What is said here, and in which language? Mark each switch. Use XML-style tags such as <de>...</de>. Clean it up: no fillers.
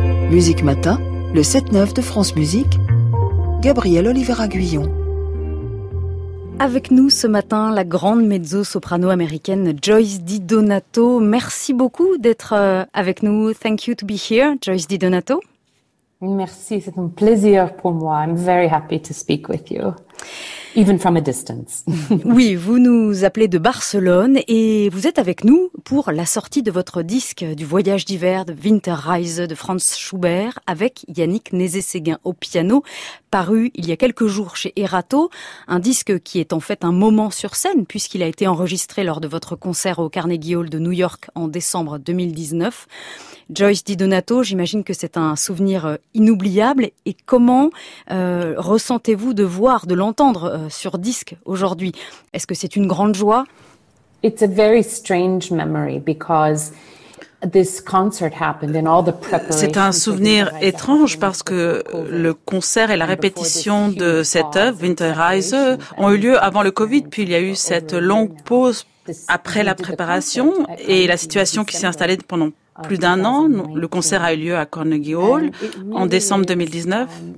<fr>Musique Matin, le 7-9 de France Musique, Gabriel Oliver Aguillon. Avec nous ce matin, la grande mezzo-soprano américaine Joyce DiDonato. Merci beaucoup d'être avec nous.</fr> <en>Thank you to be here, Joyce DiDonato.</en> <fr>Merci, c'est un plaisir pour moi.</fr> <en>I'm very happy to speak with you. Even from a distance.</en> <fr>Oui, vous nous appelez de Barcelone et vous êtes avec nous pour la sortie de votre disque du voyage d'hiver de Winterreise de Franz Schubert avec Yannick Nézet-Séguin au piano, paru il y a quelques jours chez Erato. Un disque qui est en fait un moment sur scène puisqu'il a été enregistré lors de votre concert au Carnegie Hall de New York en décembre 2019. Joyce DiDonato, j'imagine que c'est un souvenir inoubliable. Et comment ressentez-vous de voir, de l'entendre sur disque aujourd'hui? Est-ce que c'est une grande joie?</fr> <en>It's a very strange memory because this concert happened and all the preparation.</en> <fr>C'est un souvenir étrange parce que le concert et la répétition de cette œuvre, Winterreise, ont eu lieu avant le Covid, puis il y a eu cette longue pause après la préparation et la situation qui s'est installée pendant plus d'un an. Le concert a eu lieu à Carnegie Hall en décembre 2019.</fr>